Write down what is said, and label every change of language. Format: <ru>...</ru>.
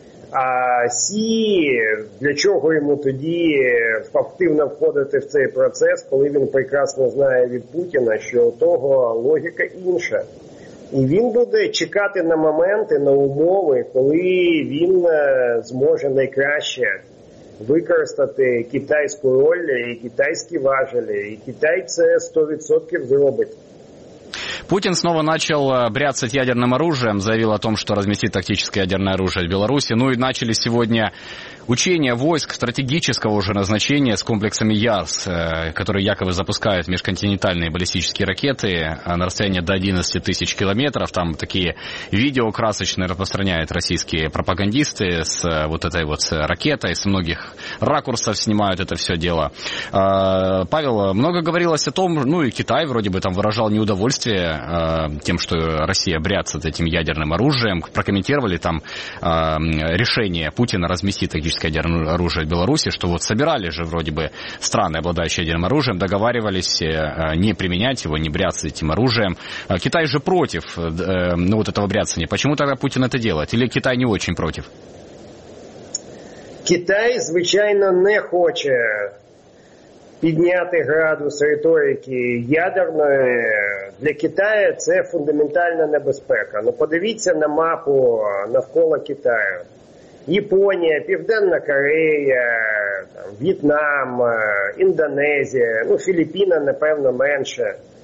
<uk>А Сі, для чого йому тоді активно входити в цей процес, коли він прекрасно знає від Путіна, що у того логіка інша? І він буде чекати на моменти, на умови, коли він зможе найкраще використати китайську роль і китайські важелі, і Китай це 100% зробить.</uk> <ru>Путин снова начал бряцать ядерным оружием, заявил о том, что разместит тактическое ядерное оружие в Беларуси. Ну и начали сегодня учения войск стратегического уже назначения с комплексами ЯРС, которые якобы запускают межконтинентальные баллистические ракеты на расстояние до 11 тысяч километров. Там такие видео красочные распространяют российские пропагандисты с вот этой вот ракетой, с многих ракурсов снимают это все дело. Павел, много говорилось о том, ну и Китай вроде бы там выражал неудовольствие тем, что Россия бряцает этим ядерным оружием. Прокомментировали там решение Путина разместить тактическое ядерное оружие в Беларуси, что вот собирали же вроде бы страны, обладающие ядерным оружием, договаривались не применять его, не бряцать этим оружием. Китай же против ну, вот этого бряцания. Почему тогда Путин это делает? Или Китай не очень против?</ru> <uk>Китай, звичайно, не хоче підняти градус риторики ядерної. Для Китаю це фундаментальна небезпека. Ну, подивіться на мапу навколо Китаю. Японія, Південна Корея, там, В'єтнам, Індонезія, ну, Філіппіна, напевно, менше.</uk>